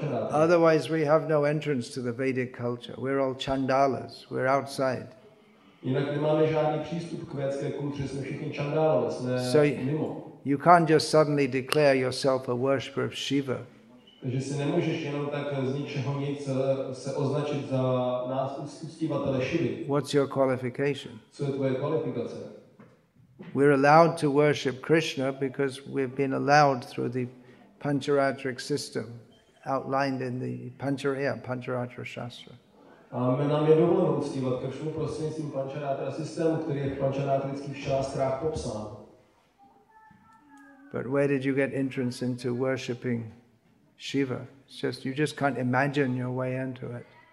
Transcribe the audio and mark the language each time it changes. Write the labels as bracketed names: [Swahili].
[English] Otherwise we have no entrance to the Vedic culture. We're all chandalas. We're outside. [Czech] Jinak nemáme žádný přístup k vědecké kultuře, jsme všichni čandálové, jsme mimo. [English] You can't just suddenly declare yourself a worshipper of Shiva. [Czech] Takže si nemůžeš jenom tak z ničeho nic se označit za nás uctívatele Shivy. [English] What's your qualification? [Czech] Co je tvoje kvalifikace? [English] We're allowed to worship Krishna because we've been allowed through the pancharatric system outlined in the pancharatra shastra. [Czech] A my nám je dovoleno uctívat Kršnu prostřednictvím pančarátra systému, který je v pančarátrických šástrách popsán. [English] But where did you get entrance into worshipping Shiva? It's just, you just can't imagine your way into it.